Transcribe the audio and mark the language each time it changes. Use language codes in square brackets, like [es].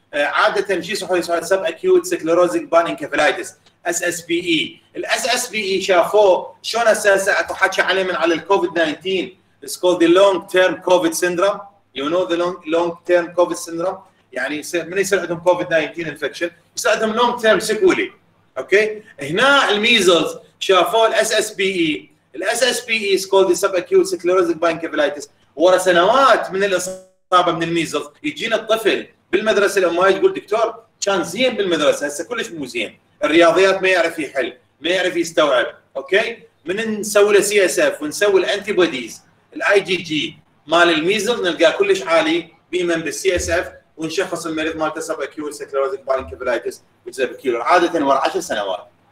[ar] عادة شي صحيح [en] Subacute sclerosing panencephalitis SSPE. [ar] SSPE شافوه شلون اساسا اتحكي عليه من على الكوفيد 19. [en] It's called the long term COVID syndrome. You know the long term COVID syndrome. [ar] يعني من يصير عندهم COVID 19 infection يصير عندهم [en] long term sequelae. [ar] اوكي هنا الميزلز شافوه SSPE. [en] SSPE is called the subacute sclerotic bronchiolitis. [ar] ورا سنوات من الاصابه من الميزلز يجينا الطفل بالمدرسه الامه يقول دكتور كان زين بالمدرسه هسه كلش مو زين، الرياضيات ما يعرف يحل، ما يعرف يستوعب، اوكي؟ من نسوي له سي اس اف ونسوي الانتي بوديز الاي جي جي مال الميزلز نلقاه كلش عالي بما بالسي اس اف ونشخص المريض مالته [en] subacute sclerotic bronchiolitis which is a peculiar [ar] عاده ورا 10 سنوات.